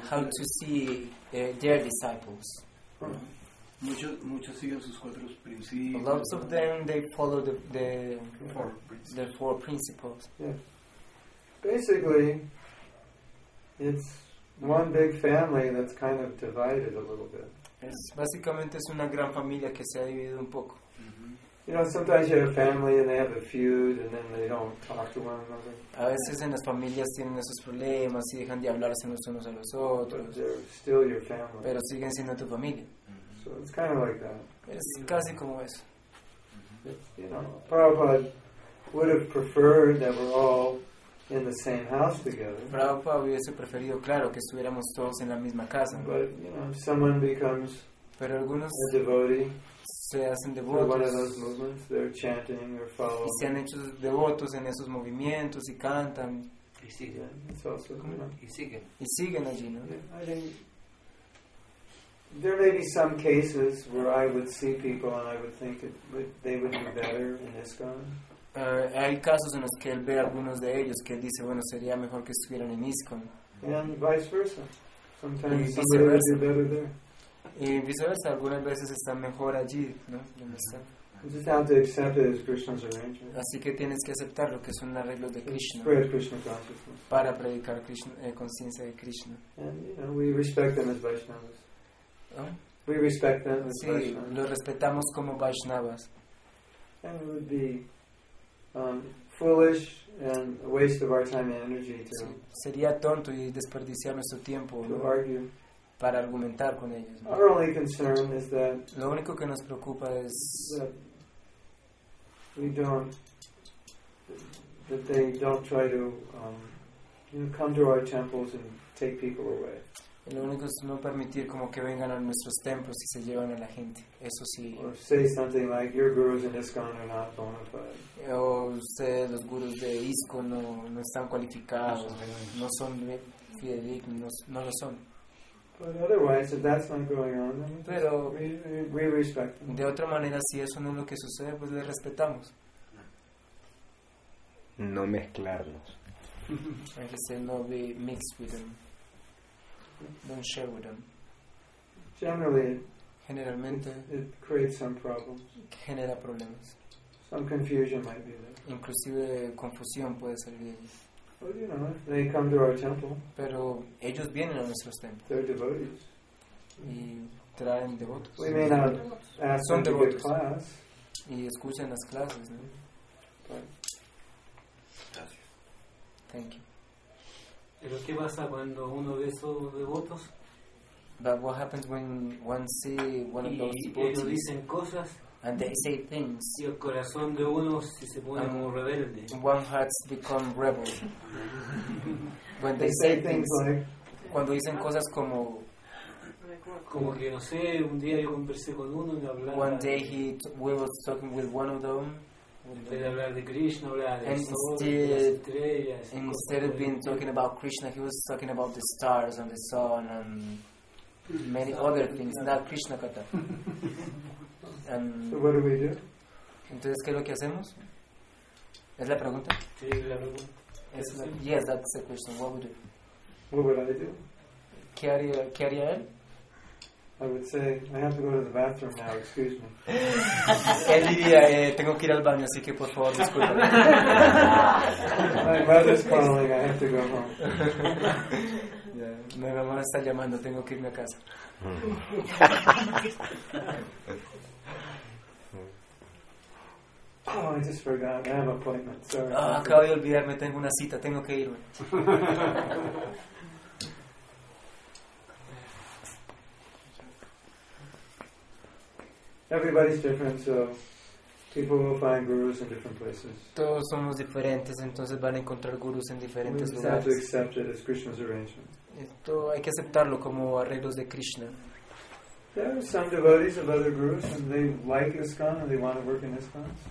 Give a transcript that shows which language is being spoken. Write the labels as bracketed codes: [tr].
[en] How to see their disciples? [es] Muchos siguen sus cuatro principios. [en] Lots of them, they follow the four principles. Yeah. Basically, it's one big family that's kind of divided a little bit. [es] Básicamente es una gran familia que se ha dividido un poco. [en] You know, sometimes you have a family and they have a feud and then they don't talk to one another. [es] A veces en las familias tienen esos problemas y dejan de hablarse los unos a los otros. [en] But they're still your family. [es] Pero siguen siendo tu familia. [en] So it's kind of like that. [es] Es casi como eso. [en] You know, Prabhupada would have preferred that we're all in the same house together. [es] Prabhupada hubiese preferido, claro, que estuviéramos todos en la misma casa. [en] But, you know, someone becomes [es] pero algunos [en] a devotee, [es] se hacen devotos, [en] one of those movements, they're chanting or following. [es] Y se han hecho devotos en esos movimientos y cantan. Y siguen. Y siguen allí, ¿no? [en] There may be some cases where I would see people and I would think that they would be better in ISKCON. [es] Hay casos en los que él ve a algunos de ellos que él dice, bueno, sería mejor que estuvieran en ISKCON. [en] And vice versa. Sometimes somebody would do better there. [es] Y viceversa, algunas veces están mejor allí, ¿no? Donde están. [en] You just have to accept it as Krishna's arrangement. [es] Así que tienes que aceptar lo que son los arreglos de Krishna. [en] Spread Krishna consciousness. [es] Para predicar conciencia de Krishna. [en] And, you know, we respect them as Vaishnavas. [es] ¿Oh? [en] We respect them as [es] sí, [en] Vaishnavas. [es] Lo respetamos como Vaishnavas. [en] And it would be foolish and a waste of our time and energy to [es] sí, sería tonto y desperdiciar nuestro tiempo [en] to argue. [es] Para argumentar con ellos. [en] Our only concern is that [es] lo único que nos preocupa es [en] that they don't try to come to our temples and take people away. [es] Y lo único es no permitir como que vengan a nuestros templos y se llevan a la gente. Eso sí. [en] Or say something like, your gurus in ISKCON are not bona fide. [es] O ustedes, los gurus de ISKCON no están cualificados. No son fidedignos. No lo son. [en] But otherwise, if that's not going on, [es] pero [en] we respect them. [es] De otra manera, si eso no es lo que sucede, pues les respetamos. No mezclarlos. Hay que ser [en] no be mixed with them. Don't share with them. [es] Generalmente, [en] it creates some problems. [es] Genera problemas. [en] Some confusion might be there. [es] Inclusive confusión puede ser de ellos. [en] But you know, they come to our temple. [es] Pero ellos vienen a nuestros templos. [en] They're devotees. [es] Y traen devotos. We may not ask them to give class. Y escuchan las clases, ¿no? Gracias. [en] Thank you. [es] Pero qué pasa cuando uno de esos devotos [en] but what happens when one see one of those [es] devotees ellos dicen cosas [en] and they say things [es] y el corazón de uno se pone como rebelde [en] one hearts become rebel when they say things like, [es] cuando dicen cosas como como que no sé un día yo conversé con uno y hablaba [en] one day we were talking with one of them instead of being talking about Krishna, he was talking about the stars and the sun and many other things, not Krishna Katha. And so what do we do? [es] Entonces, ¿qué es lo que hacemos? ¿Es la pregunta? Sí, la pregunta. [en] Yes, that's the question. What would you do? What would I do? [es] ¿Qué haría él? [en] I would say, I have to go to the bathroom now, excuse me. [es] Él diría, tengo que ir al baño, así que por favor, disculpa. [en] My mother's calling, I have to go home. Yeah. [es] Mi mamá está llamando, tengo que irme a casa. [en] Oh, I just forgot, I have an appointment, sorry. [es] Ah, oh, acabo de olvidarme, tengo una cita, tengo que irme. [en] Everybody's different, so people will find gurus in different places. [es] Todos somos diferentes, entonces van a encontrar gurus en diferentes lugares. [en] We just have to accept it as Krishna's arrangement. [es] Esto hay que aceptarlo como arreglos de Krishna. [en] There are some devotees of other gurus, and they like ISKCON, and they want to work in ISKCON.